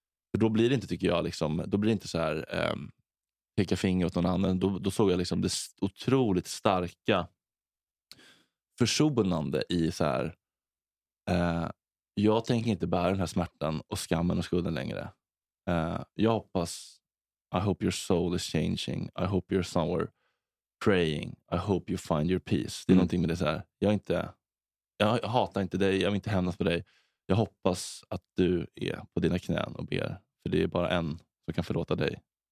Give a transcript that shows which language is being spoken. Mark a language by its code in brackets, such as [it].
[sv] För då blir det inte, tycker jag, liksom, då blir det inte så här peka finger åt någon annan. Då såg jag liksom det otroligt starka försonande i så här jag tänker inte bära den här smärtan och skammen och skulden längre. Jag hoppas, [en] I hope your soul is changing. I hope you're somewhere praying. I hope you find your peace. [sv] Det är någonting med det så här. Jag hatar inte dig. Jag vill inte hämnas på dig. Jag hoppas att du är på dina knän och ber. För det är bara en som kan förlåta dig.